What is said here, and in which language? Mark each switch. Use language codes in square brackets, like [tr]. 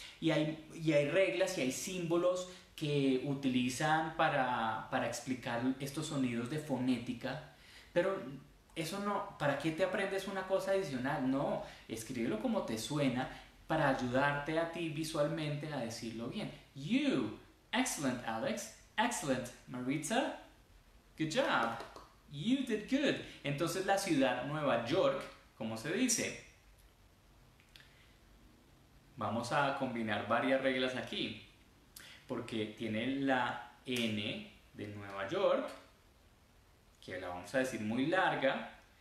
[es] Y hay reglas y hay símbolos que utilizan para explicar estos sonidos de fonética, pero eso no, ¿para qué te aprendes una cosa adicional? No, escríbelo como te suena para ayudarte a ti visualmente a decirlo bien. [en] You, excellent Alex, excellent Maritza, good job, you did good. [es] Entonces la ciudad Nueva York, ¿cómo se dice? Vamos a combinar varias reglas aquí. Porque tiene la N de Nueva York, que la vamos a decir muy larga.